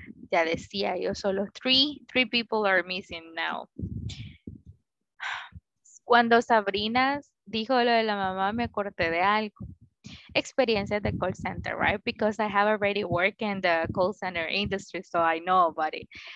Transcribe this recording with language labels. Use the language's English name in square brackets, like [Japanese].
[Spanish] Ya decía yo, solo [English] three people are missing now. [Spanish] Cuando Sabrina dijo lo de la mamá, me acordé de algo. [English] Experience at the call center, right? Because I have already worked in the call center industry, so I know about it.